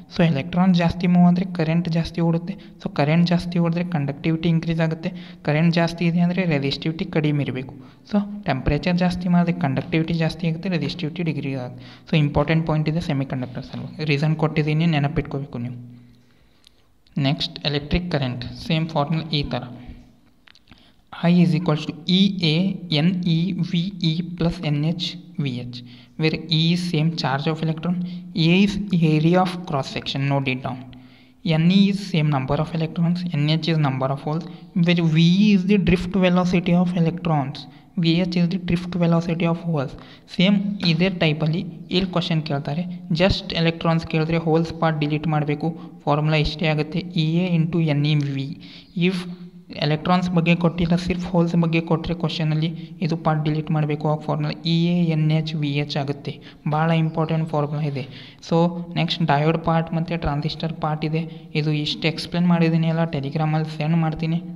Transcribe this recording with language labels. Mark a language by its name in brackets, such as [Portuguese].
[Kannada] So electron ಜಾಸ್ತಿ move ಅಂದರೆ current ಜಾಸ್ತಿ ಓಡುತ್ತೆ. ಸೊ ಕರೆಂಟ್ ಜಾಸ್ತಿ ಓಡಿದ್ರೆ ಕಂಡಕ್ಟಿವಿಟಿ ಇನ್ಕ್ರೀಸ್ ಆಗುತ್ತೆ, ಕರೆಂಟ್ ಜಾಸ್ತಿ ಇದೆ ಅಂದರೆ ರೆಸಿಸ್ಟಿವಿಟಿ ಕಡಿಮೆ ಇರಬೇಕು. ಸೊ ಟೆಂಪ್ರೇಚರ್ ಜಾಸ್ತಿ ಮಾಡಿದ್ರೆ ಕಂಡಕ್ಟಿವಿಟಿ ಜಾಸ್ತಿ ಆಗುತ್ತೆ, ರೆಸಿಸ್ಟಿವಿಟಿ ಡಿಗ್ರೀ ಆಗುತ್ತೆ. ಸೊ ಇಂಪಾರ್ಟೆಂಟ್ ಪಾಯಿಂಟ್ ಇದೆ ಸೆಮಿ ಕಂಡಕ್ಟರ್ಸ್ ಅಲ್ವಾ, ರೀಸನ್ ಕೊಟ್ಟಿದ್ದೀನಿ ನೆನಪಿಟ್ಕೋಬೇಕು ನೀವು. Next electric current, same formula ಈ ಥರ. [English] I is equals to E A N E V E plus N H V H, where E is same charge of electron, A is area of cross section, note it down, N E is same number of electrons, N H is number of holes, where V is the drift velocity of electrons, V H is the drift velocity of holes. [Kannada] Same either type ali ill question keltare, just electrons keldre holes part delete madbeku, formula ishte agutte, E A into N E V. If electrons ಬಗ್ಗೆ ಕೊಟ್ಟಿಲ್ಲ, ಸಿರ್ಫ್ holes ಬಗ್ಗೆ ಕೊಟ್ಟರೆ ಕ್ವಶನಲ್ಲಿ, ಇದು part delete ಮಾಡಬೇಕು. ಆ formula E A N H V H ಆಗುತ್ತೆ, ಭಾಳ important formula ಇದೆ. ಸೊ ನೆಕ್ಸ್ಟ್ ಡಯೋಡ್ ಪಾರ್ಟ್ ಮತ್ತು ಟ್ರಾನ್ಸಿಸ್ಟರ್ ಪಾರ್ಟ್ ಇದೆ. ಇದು ಇಷ್ಟು ಎಕ್ಸ್ಪ್ಲೇನ್ ಮಾಡಿದ್ದೀನಿ ಎಲ್ಲ ಟೆಲಿಗ್ರಾಮಲ್ಲಿ ಸೆಂಡ್ ಮಾಡ್ತೀನಿ.